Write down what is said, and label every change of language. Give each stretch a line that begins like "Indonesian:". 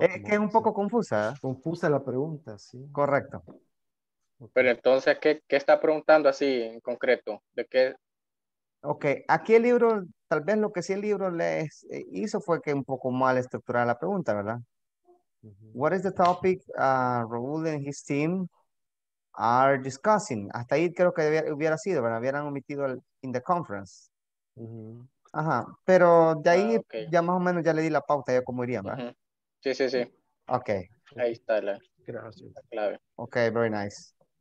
Spanish: es como, que es un poco, sí, confusa. Confusa la pregunta, sí. Correcto. Pero entonces, ¿qué está preguntando así en concreto? ¿De qué? Ok, aquí el libro, tal vez lo que sí el libro les hizo fue que un poco mal estructurada la pregunta, ¿verdad? Uh-huh.
English: What is the topic Raúl and his team are discussing?
Spanish: Hasta ahí creo que hubiera sido, ¿verdad? Habieran omitido el
English: in the conference.
Spanish: Uh-huh. Ajá, pero de ahí okay. Ya más o menos ya le di la pauta, ya cómo iría, ¿verdad? Uh-huh. Sí, sí, sí.
English: Ok.
Spanish: Ahí está la, gracias, la clave.
English: Ok, very nice.